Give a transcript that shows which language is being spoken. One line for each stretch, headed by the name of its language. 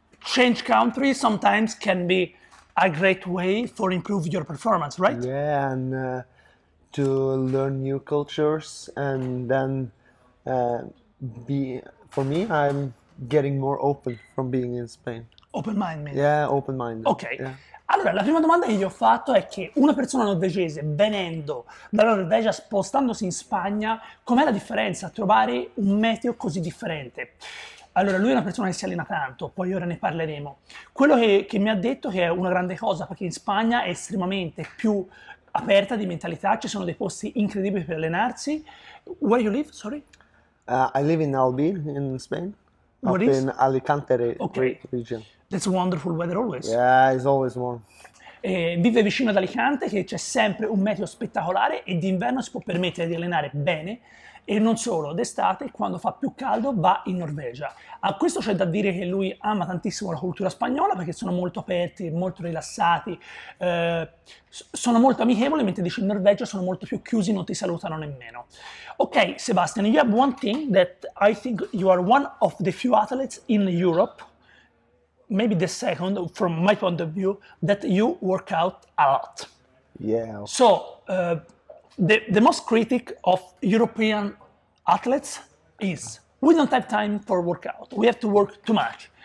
English: Change country sometimes can be a great way for improve your performance, right? Yeah, and to learn new cultures. And then for me, I'm getting more open from being in Spain. Open-minded. Yeah, open-minded. Okay. Yeah.
Italian: Allora, la prima domanda che gli ho fatto è che una persona norvegese venendo dalla Norvegia, spostandosi in Spagna, com'è la differenza trovare un meteo così differente? Allora, lui è una persona che si allena tanto, poi ora ne parleremo. Quello che mi ha detto che è una grande cosa, perché in Spagna è estremamente più aperta di mentalità, ci sono dei posti incredibili per allenarsi.
English: Where you live, sorry? I live in Albi, in Spain. What is? In Alicante region. That's wonderful weather always. Yeah, it's always warm.
Italian: Vive vicino ad Alicante, che c'è sempre un meteo spettacolare e d'inverno si può permettere di allenare bene. E non solo, d'estate, quando fa più caldo, va in Norvegia. A questo c'è da dire che lui ama tantissimo la cultura spagnola, perché sono molto aperti, molto rilassati, sono molto amichevoli, mentre dice in Norvegia sono molto più chiusi, non ti salutano nemmeno.
English: Ok, Sebastian, you have one thing that I think you are one of the few athletes in Europe, maybe the second, from my point of view, that you work out a lot. Yeah. So, the most critic of European athletes is, we don't have time for workout, we have to work too much.